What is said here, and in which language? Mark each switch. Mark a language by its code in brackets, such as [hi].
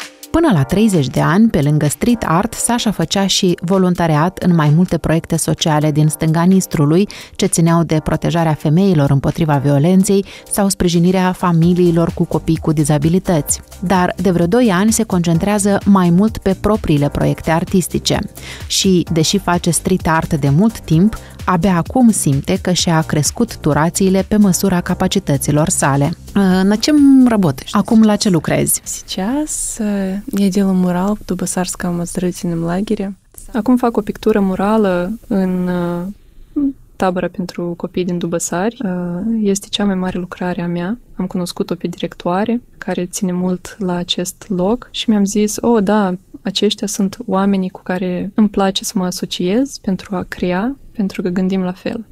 [ro] Până la 30 de ani, pe lângă street art, Sasha făcea și voluntariat în mai multe proiecte sociale din stânga Nistrului, ce țineau de protejarea femeilor împotriva violenței sau sprijinirea familiilor cu copii cu dizabilități. Dar de vreo 2 ani se concentrează mai mult pe propriile proiecte artistice. Și, deși face street art de mult timp, abia acum simte că și-a crescut turațiile pe măsura capacităților sale. [ru] На чем работаешь? [ro] Acum la ce lucrezi? [ru] Сейчас я делаю мурал в Дубасарском оздоровительном лагере. [ro] Acum fac o pictură murală în tabără pentru copii din Dubăsari. Este cea mai mare lucrare a mea. Am cunoscut-o pe directoare care ține mult la acest loc și mi-am zis, oh, da, aceștia sunt oamenii cu care îmi place să mă asociez pentru a crea, pentru că gândim la fel.